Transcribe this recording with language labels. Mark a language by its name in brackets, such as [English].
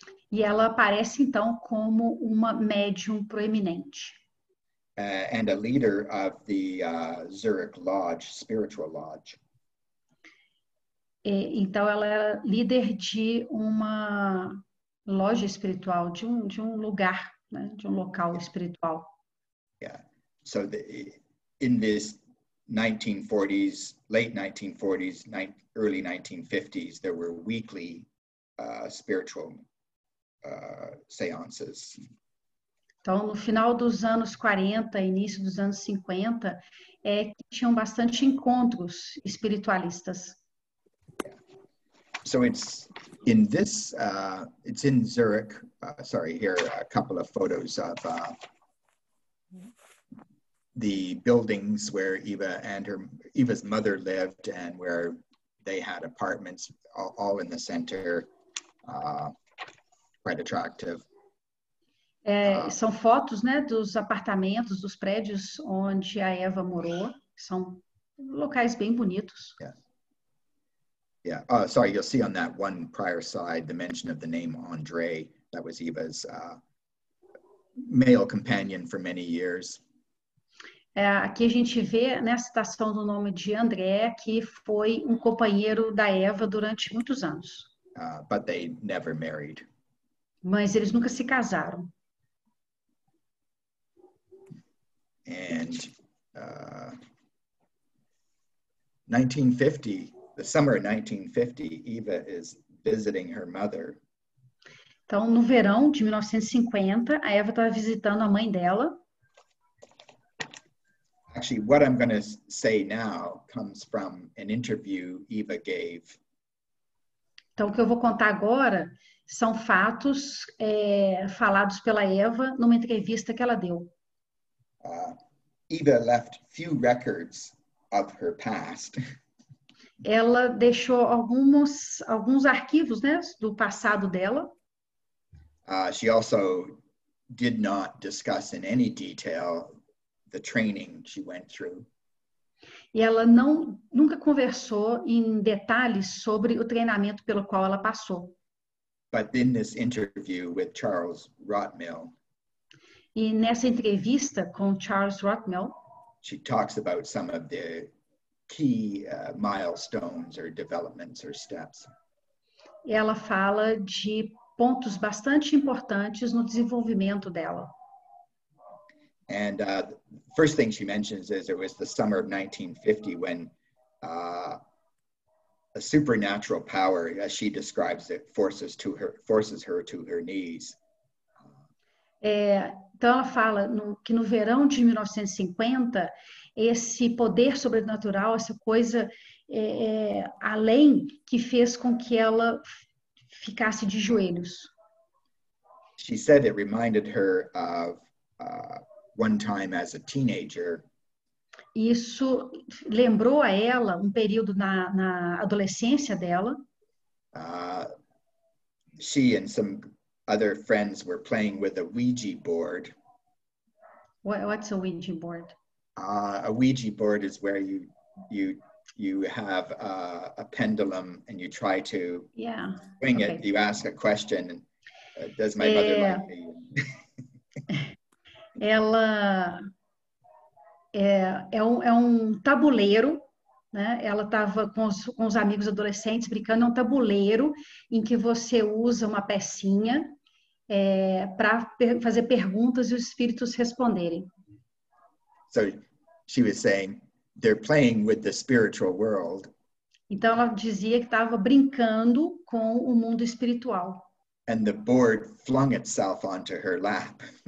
[Portuguese] E ela aparece, então, como uma médium proeminente. [English] And a leader of the Zurich Lodge, Spiritual Lodge. [Portuguese] Então, ela era líder de uma loja espiritual, de um lugar, né? De um local espiritual. [English] Yeah. So, in this 1940s, late 1940s, early 1950s, there were weekly spiritual seances. [Portuguese] Então, no final dos anos 40, início dos anos 50, é que tinham bastante encontros espiritualistas. [English] So it's in this, it's in Zurich, sorry, here are a couple of photos of the buildings where Eva and her, Eva's mother lived and where they had apartments all in the center, quite attractive. [Portuguese] É, são fotos, né, dos apartamentos, dos prédios onde a Eva morou, são locais bem bonitos. [English] Yeah. Yeah, sorry, you'll see on that one prior slide the mention of the name André. That was Eva's male companion for many years. [Portuguese] É, aqui a gente vê nessa citação do nome de André, que foi um companheiro da Eva durante muitos anos. [English] But they never married. [Portuguese] Mas eles nunca se casaram. [English] And 1950. The summer of 1950, Eva is visiting her mother. [Portuguese] Então, no verão de 1950, a Eva estava visitando a mãe dela. [English] Actually, what I'm going to say now comes from an interview Eva gave. [Portuguese] Então, o que eu vou contar agora são fatos falados pela Eva numa entrevista que ela deu. [English] Eva left few records of her past. [Portuguese] Ela deixou alguns arquivos, né, do passado dela. [English] She also did not discuss in any detail the training she went through. [Portuguese] E ela nunca conversou em detalhes sobre o treinamento pelo qual ela passou. [English] But in this interview with Charles Rottmill. [Portuguese] E nessa entrevista com Charles Rottmill. [English] She talks about some of the key milestones or developments or steps. [Portuguese] Ela fala de pontos bastante importantes no desenvolvimento dela. [English] And first thing she mentions is it was the summer of 1950 when a supernatural power, as she describes it, forces her to her knees. [Portuguese] Então ela fala que no verão de 1950 esse poder sobrenatural, essa coisa além, que fez com que ela ficasse de joelhos. [English] She said it reminded her of one time as a teenager. [Portuguese] Isso lembrou a ela um período na adolescência dela. [English] She and some other friends were playing with a Ouija board. What's a Ouija board? A Ouija board is where you have a pendulum and you try to swing it. You ask a question. Does my mother like me? [Portuguese] Ela é um tabuleiro, né? Ela estava com os amigos adolescentes brincando. É um tabuleiro em que você usa uma pecinha para fazer perguntas e os espíritos responderem. [English] So, she was saying, they're playing with the spiritual world. [Portuguese] Então, ela dizia que estava brincando com o mundo espiritual. [English] And the board flung itself onto her lap.